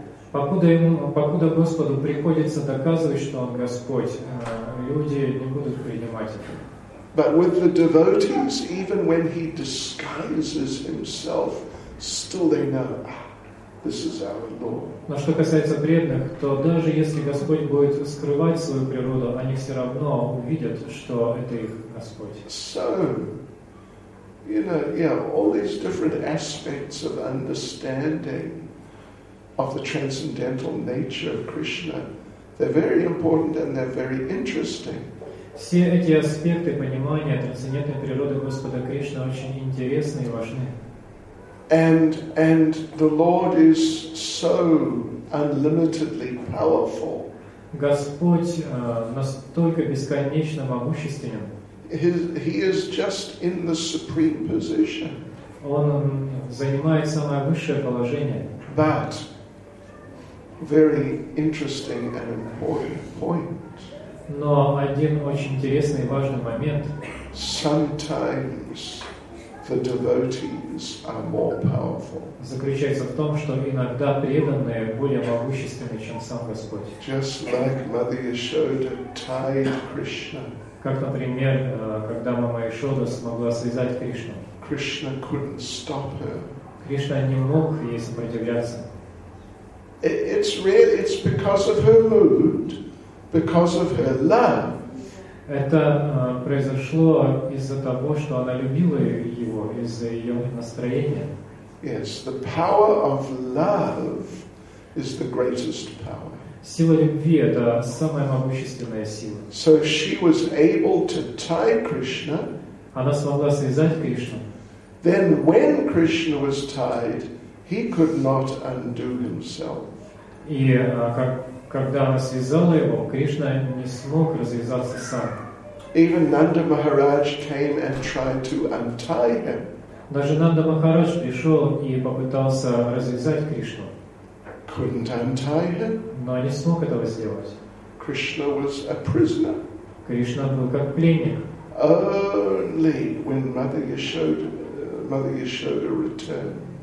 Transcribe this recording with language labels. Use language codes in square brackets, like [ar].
[ru] Покуда Господу приходится доказывать, что Он Господь, люди не будут принимать это. [en] But with the devotees, even when he disguises himself, still they know, this is our Lord. [ru] Но что касается преданных, то даже если Господь будет скрывать свою природу, они все равно увидят, что это их Господь. [en] So, you know, yeah, all these different aspects of understanding of the transcendental nature of Krishna, they're very important and they're very interesting. [ru] Все эти аспекты понимания трансцендентной природы Господа Кришны очень интересны и важны. [en] And the Lord is so unlimitedly powerful. [ru] Господь настолько бесконечно могущественен. [en] He is just in the supreme position. [ru] Он занимает самое высшее положение. [en] But very interesting and important point. [ru] Но один очень интересный и важный момент. [en] Sometimes the devotees are more powerful. [ru] Заключается в том, что иногда преданные более могущественны, чем сам Господь. [en] Just like Mother Yashoda tied Krishna. [ru] Как, например, когда Мама Ишода смогла связать Кришну. [en] Krishna couldn't stop her. [ru] Кришна не мог ей сопротивляться. [en] It's because of her mood, because of her love. [ru] Это произошло из-за того, что она любила его, из-за ее настроения. [en] Yes, the power of love is the greatest power. [ru] Сила любви — это самая могущественная сила. [en] So she was able to tie Krishna. [ru] Она смогла связать Кришну. [en] Then when Krishna was tied, he could not undo himself. [ru] И когда она связала его, Кришна не смог развязаться сам. [en] Even Nanda Maharaj came and tried to untie him. [ru] Даже Нанда Махарадж пришел и попытался развязать Кришну. [en] Couldn't untie him. [ru] Но не смог этого сделать. [en] Krishna was a prisoner. [ru] Кришна был как пленник. [en] Only when Mother Yashoda returned.